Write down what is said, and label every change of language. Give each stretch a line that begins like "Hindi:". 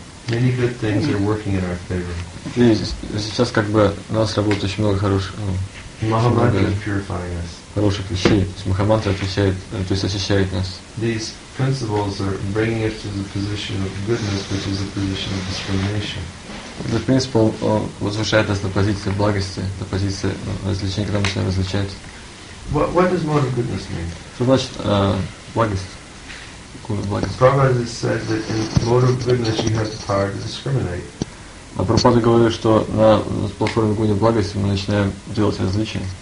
English: many good things are working in our favor.
Russian: Сейчас как бы у нас работает очень много хороших.
English: Махамантра is purifying us.
Russian: Хороших вещей. То есть Махамантра очищает, то есть очищает нас.
English: These principles are bringing us to the position of goodness, which is a position of discrimination.
Russian: Этот принцип, он возвышает нас на позиции благости, на позиции различия, когда мы начинаем различать.
English: What does moral goodness mean?
Russian: Что значит благость? Благость.
English: Prabhupada said that in moral goodness you have the power to discriminate.
Russian: А Прабхупада говорит, что на платформе гуни благости мы начинаем делать различия.